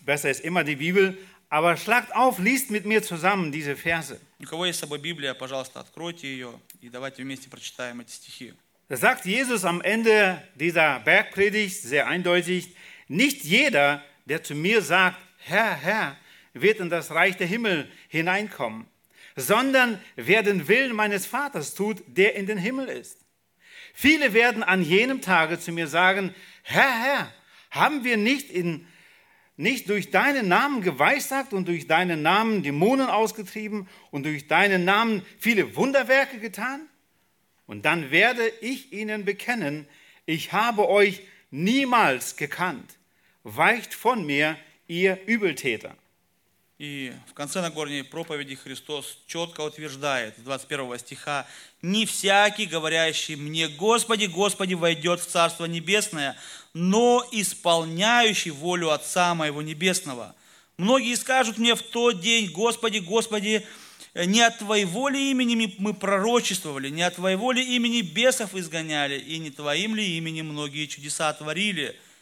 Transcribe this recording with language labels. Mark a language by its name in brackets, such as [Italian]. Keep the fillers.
[German] Besser ist immer die Bibel. Aber schlagt auf, liest mit mir zusammen diese Verse. [Russian] У кого есть с собой Библия, пожалуйста, откройте ее и давайте вместе прочитаем эти стихи. [German] Sagt Jesus am Ende dieser Bergpredigt sehr eindeutig: Nicht jeder, der zu mir sagt, Herr, Herr, wird in das Reich der Himmel hineinkommen, sondern wer den Willen meines Vaters tut, der in den Himmel ist. Viele werden an jenem Tage zu mir sagen: Herr, Herr, haben wir nicht in nicht durch deinen Namen geweissagt und durch deinen Namen Dämonen ausgetrieben und durch deinen Namen viele Wunderwerke getan? Und dann werde ich ihnen bekennen, ich habe euch niemals gekannt. Weicht von mir, ihr Übeltäter. [Russian] И в конце Нагорной проповеди Христос четко утверждает, 21 стиха, «Не всякий, говорящий мне, Господи, Господи, войдет в Царство Небесное, но исполняющий волю Отца моего Небесного. Многие скажут мне в тот день, Господи, Господи, не от Твоей воли имени мы пророчествовали, не от Твоей воли имени бесов изгоняли, и не Твоим ли именем многие чудеса творили.